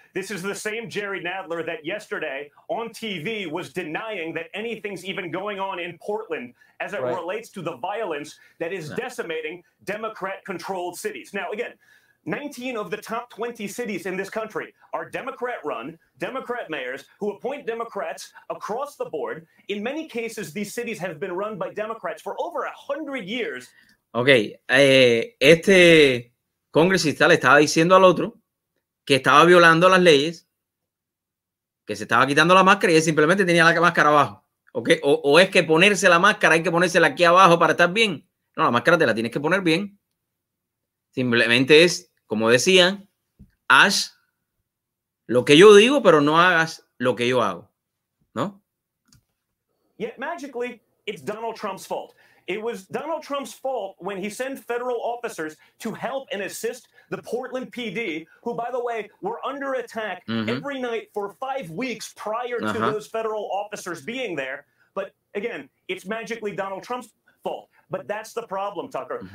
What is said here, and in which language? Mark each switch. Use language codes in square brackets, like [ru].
[en] This is the same Jerry Nadler that yesterday on TV was denying that anything's even going on in Portland as it relates to the violence that is decimating Democrat-controlled cities. Now, again, 19 of the top 20 cities in this country are Democrat-run, Democrat mayors who appoint Democrats across the board. In many cases, these cities have been run by Democrats for over 100 years. [es] Ok, este congresista le estaba diciendo al otro que estaba violando las leyes, que se estaba quitando la máscara y él simplemente tenía la máscara abajo. Ok, o es que ponerse la máscara hay que ponérsela aquí abajo para estar bien. No, la máscara te la tienes que poner bien. Simplemente es, como decían, haz lo que yo digo, pero no hagas lo que yo hago, ¿no? [en] Yet magically, it's Donald Trump's fault. It was Donald Trump's fault when he sent federal officers to help and assist the Portland PD, who, by the way, were under attack every night for 5 weeks prior to those federal officers being there. But again, it's magically Donald Trump's fault. But that's the problem, Tucker.